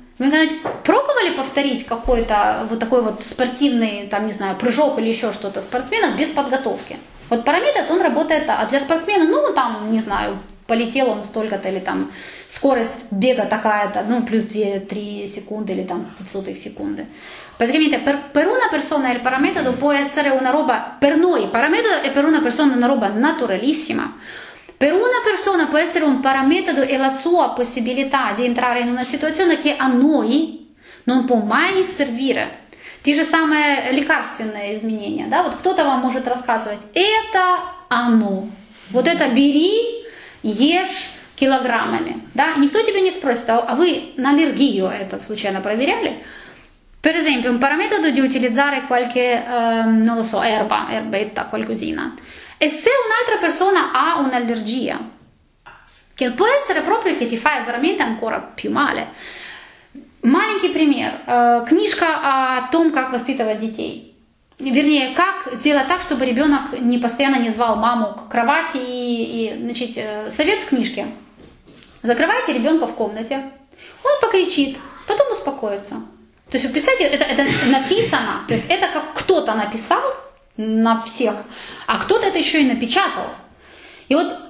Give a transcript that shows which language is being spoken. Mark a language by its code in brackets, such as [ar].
[ru] Вы пробовали повторить какой-то вот такой вот спортивный, там, не знаю, прыжок или еще что-то спортсмена без подготовки? Вот параметр, он работает, а для спортсмена, ну, там, не знаю, полетел он столько-то или там скорость бега такая-то, ну, плюс 2-3 секунды или там 500 секунды. [it] Praticamente per una persona il parametodo può essere una roba, per noi il parametodo è per una persona una roba naturalissima, per una persona può essere un parametodo e la sua possibilità di entrare in una situazione che a noi non può mai servire. [ru] Ti же самое лекарственное изменение, да? Вот кто-то вам может рассказывать, это оно, вот это бери, ешь килограммами, да? Никто тебя не спросит, а вы на аллергию это случайно проверяли? [it] Per esempio, un parametodo di utilizzare qualche, non lo so, erbetta, qualcosina. E se un'altra persona ha un'allergia, che può essere proprio che ti fa veramente ancora più male. [ru] Маленький пример. Книжка о том, как воспитывать детей. Вернее, как сделать так, чтобы ребенок не постоянно не звал маму к кровати. И значит, совет в книжке. Закрывайте ребенка в комнате. Он покричит, потом успокоится. То есть, вы представляете, это написано, то есть это как кто-то написал на всех, а кто-то это еще и напечатал. И вот